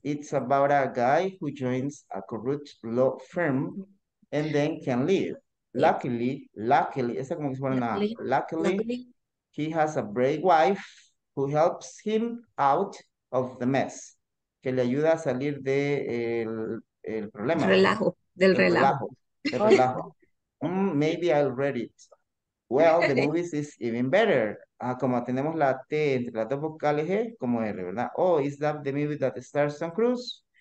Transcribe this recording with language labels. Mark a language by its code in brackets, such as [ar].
[en] It's about a guy who joins a corrupt law firm and then can leave. Luckily, [es] esa como que se pone nada. [en] Luckily, he has a brave wife who helps him out of the mess. [es] Que le ayuda a salir de el problema. Del relajo. [en] Maybe I'll read it. Well, the movie is even better. [es] Como tenemos la T entre las dos vocales, como R, ¿verdad? [en] Oh, is that the movie that stars Tom Cruise?